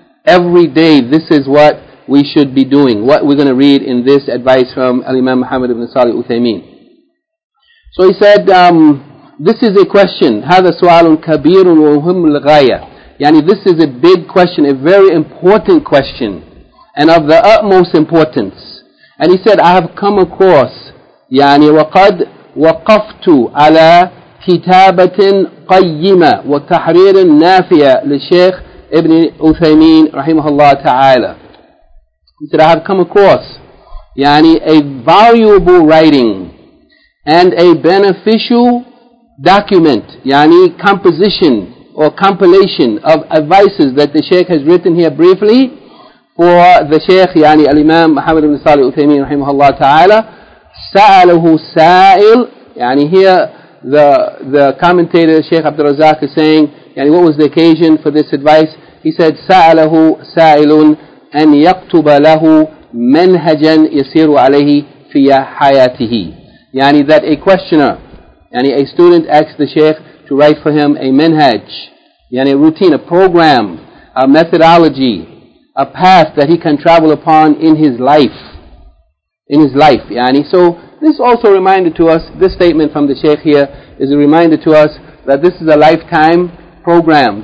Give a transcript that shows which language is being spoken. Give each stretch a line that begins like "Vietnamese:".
English: Every day this is what we should be doing, what we're going to read in this advice from Al-Imam Muhammad ibn Salih Uthaymeen. So he said, this is a question,
Arabic: هذا سؤال كبير ومهم للغاية.
English: Yani this is a big question, a very important question, and of the utmost importance. And he said, I have come across,
Arabic: يعني وقد وقفت على كتابة قيمة وتحرير نافية للشيخ ابن Uthaymeen رحمه الله تعالى.
English: He said, I have come across yani a valuable writing and a beneficial document, yani composition or compilation of advices that the Shaykh has written here briefly for the Shaykh, yani Al-Imam Muhammad ibn Salih Uthaymeen rahimahullah ta'ala.
Arabic: Sa'alahu sa'il,
English: yani here the commentator Shaykh Abdul Razak is saying yani what was the occasion for this advice. He said,
Arabic: sa'alahu sa'ilun أن يكتب له منهجا يسير عليه في حياته.
English: يعني that a questioner, يعني a student asks the Shaykh to write for him a manhaj, يعني a routine, a program, a methodology, a path that he can travel upon in his life. In his life. يعني so this also reminded to us, this statement from the Shaykh here is a reminder to us that this is a lifetime program.